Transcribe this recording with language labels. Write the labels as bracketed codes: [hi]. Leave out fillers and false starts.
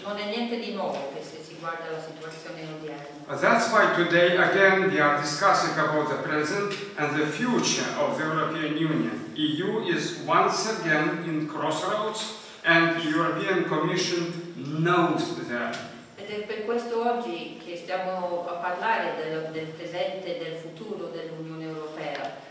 [it] Non è niente di nuovo che se si guarda la situazione odierna. [en] That's why today again we are discussing about the present and the future of the European Union. EU is once again in crossroads and the European Commission knows that. [it] Ed è per questo oggi che stiamo a parlare del presente e del futuro dell'Unione Europea.